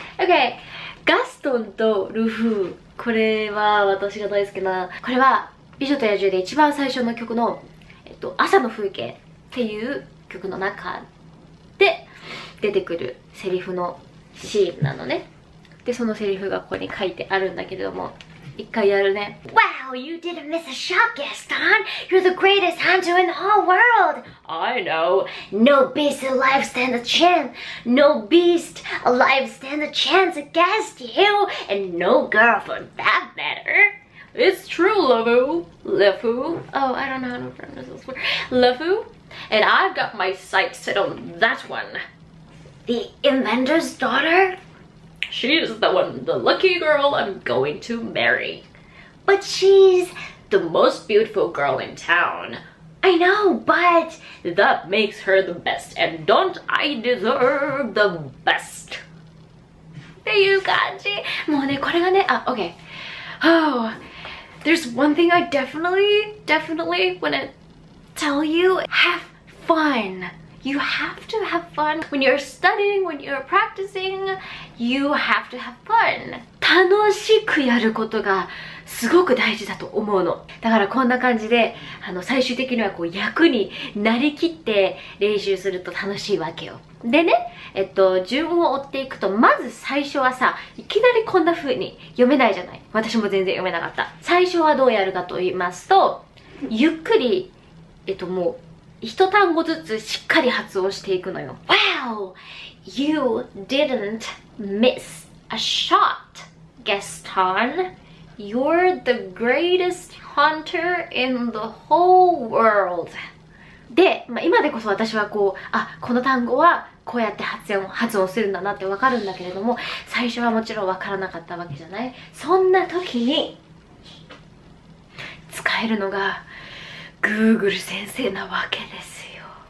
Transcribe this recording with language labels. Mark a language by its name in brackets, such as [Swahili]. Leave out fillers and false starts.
[Japanese] Okay, ガストンとルフー、これは私が大好きな、これは美女と野獣で一番最初の曲の朝の風景っていう曲の中で出てくるセリフのシーンなのね。で、そのセリフがここに書いてあるんだけども、一回やるね。 [English] Wow, you didn't miss a shot, Gaston. You're the greatest hunter in the whole world. I know. No beast alive stands a chance. No beast alive stands a chance against you. And no girl for that matter. It's true, Lefou. Lefou. Oh, I don't know how to pronounce this word. Lefou? And I've got my sights set on that one. The inventor's daughter? She's the one, the lucky girl I'm going to marry. But she's... the most beautiful girl in town. I know, but... that makes her the best, and don't I deserve the best? [Japanese] っていう感じ。もうね、これがね、あ、OK. [English] Oh, there's one thing I definitely wanna tell you. Have fun. You have to have fun. When you're studying, when you're practicing, you have to have fun. [Japanese] 楽しくやることがすごく大事だと思うの。だからこんな感じで、最終的にはこう役になりきって練習すると楽しいわけよ。でね、順を追っていくと、まず最初はさ、いきなりこんな風に読めないじゃない。私も全然読めなかった。最初はどうやるかと言いますと、ゆっくり、もう、一単語ずつしっかり発音していくのよ。 [English] Wow! You didn't miss a shot, Gaston. You're the greatest hunter in the whole world. [Japanese] で、まあ、今でこそ私はこう、あ、この単語はこうやって発音するんだなってわかるんだけれども、最初はもちろんわからなかったわけじゃない。そんな時に使えるのが、Google 先生なわけですよ。